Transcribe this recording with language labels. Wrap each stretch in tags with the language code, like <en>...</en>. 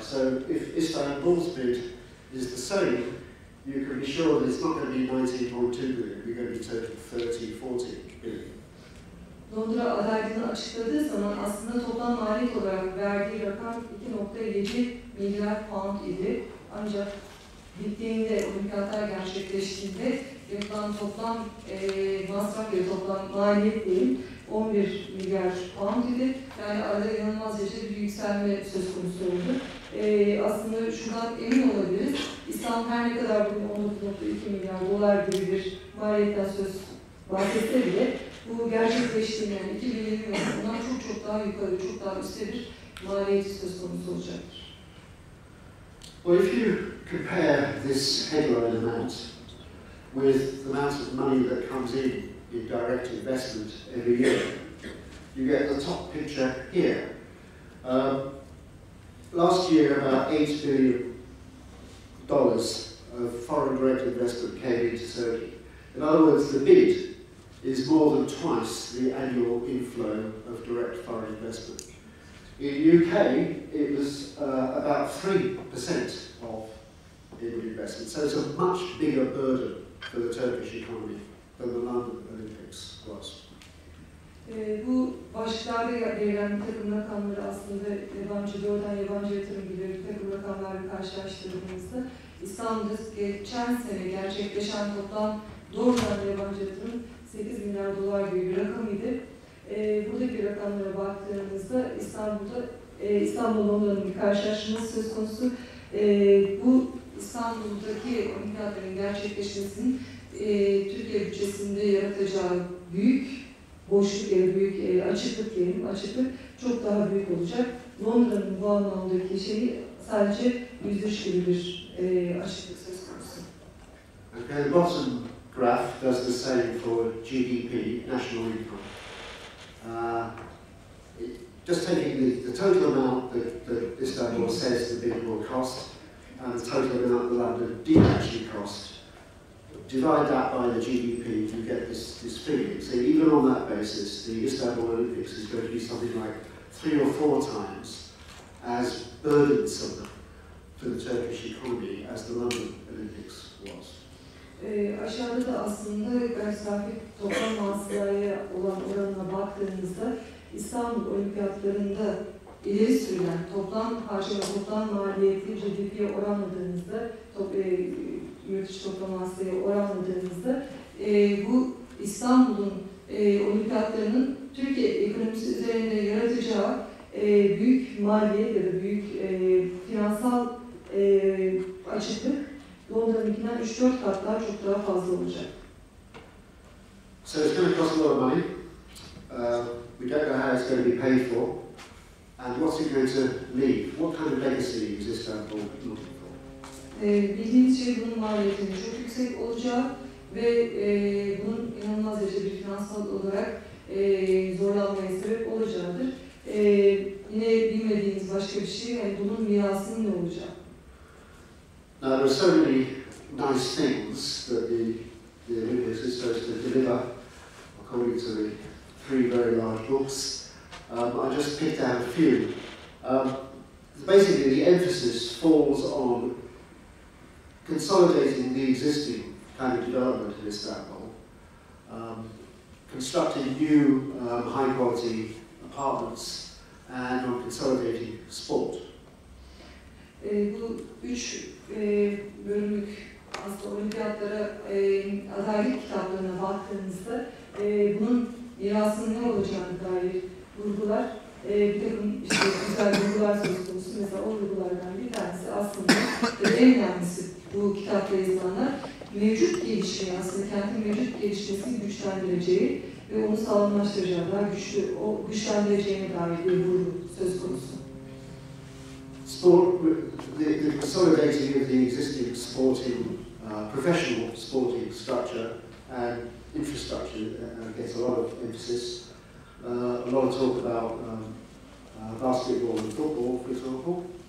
<en>So if Istanbul's bid is the same, you can be sure that it's not going to be 19.2 billion. We're going to be total 30, 40 billion.</en> <tr>Londra adaydını açıkladığı zaman aslında toplam maliyet olarak verdiği rakam 2.7 milyar pound idi. Ancak bittiğinde, olimpiyatlar gerçekleştiğinde yapılan toplam masraf ya toplam maliyet değil, 11 milyar pound idi. Yani arada inanılmaz derecede bir yükselme söz konusu oldu. Aslında şundan emin olabiliriz. İstanbul her ne kadar bu 19.2 milyar dolar gibi bir maliyetten söz bahsetse bile bu gerçekleştiğinden 2020 yılından çok çok daha yukarı, çok daha üstte bir maliyeti söz konusu olacaktır.</tr> <en>Well, if you compare this headline amount with the amount of money that comes in direct investment every year, you get the top picture here. Last year, about $8 billion of foreign direct investment came into Saudi. In other words, the bid is more than twice the annual inflow of direct foreign investment. In UK, it was about 3% of inward investment. So it's a much bigger burden for the Turkish economy than the London Olympics was.</en> <tr>Bu başlıklarda gelen bir takım rakamları aslında yabancı, doğrudan yabancı yatırım gibi bir takım rakamlarla karşılaştırdığımızda İstanbul'da geçen sene gerçekleşen toplam doğrudan yabancı yatırım 8 milyar dolar gibi bir rakam idi. Buradaki rakamlara baktığımızda İstanbul'da İstanbul Londra'nın bir karşılaştırması söz konusu. Bu İstanbul'daki olimpiyatların gerçekleşmesinin Türkiye bütçesinde yaratacağı büyük boşluk ya da büyük açıklık diyelim, açıklık çok daha büyük olacak. Londra'nın bu anlamdaki şeyi sadece %1 açıklık söz konusu.</tr> <en>Okay, the bottom graph does the same for GDP, national income. Just taking the total amount that Istanbul says the bid will cost and the total amount the London did actually cost, divide that by the GDP, you get this figure. So even on that basis, the Istanbul Olympics is going to be something like 3 or 4 times as burdensome for the Turkish economy as the London Olympics was.</en> <tr>Aşağıda da aslında gayri safi toplam hasılaya olan oranına baktığımızda İstanbul Olimpiyatları'nda ileri sürülen toplam harcama, toplam maliyeti GDP'ye oranladığınızda, yurt içi toplam hasılaya oranladığınızda bu İstanbul'un olimpiyatlarının Türkiye ekonomisi üzerinde yaratacağı büyük maliyet ya da büyük finansal açıklık Londra'nınkinden 3-4 kat daha çok daha fazla olacak.</tr> <en>So it's going to cost a lot of money. We don't know how it's going to be paid for. And what's it going to leave? What kind of legacy is Istanbul looking for?</en> <tr>Bildiğiniz şey bunun maliyetinin çok yüksek olacağı ve bunun inanılmaz derece bir finansal olarak zorlanmaya sebep olacağıdır. Yine bilmediğiniz başka bir şey, yani bunun mirasının ne olacağı?</tr> <en>Now, there are so many nice things that the Olympics is supposed to deliver, according to the three very large books. I just picked out a few. Basically, the emphasis falls on consolidating the existing kind of development in Istanbul, constructing new high-quality apartments, and on consolidating sport.</en> <tr>Bu üç bölümlük aslında olimpiyatlara adaylık kitaplarına baktığınızda bunun mirasının ne olacağına dair vurgular, bir takım işte güzel vurgular söz konusu. Mesela o vurgulardan bir tanesi aslında en önemlisi bu kitapta yazılanlar mevcut gelişimi, aslında kentin mevcut gelişmesini güçlendireceği ve onu sağlamlaştıracağı daha güçlü, o güçlendireceğine dair bir vurgu söz konusu.</tr> <en>Sport, the consolidating of the existing sporting, professional sporting structure and infrastructure gets a lot of emphasis. A lot of talk about basketball and football, for example.</en>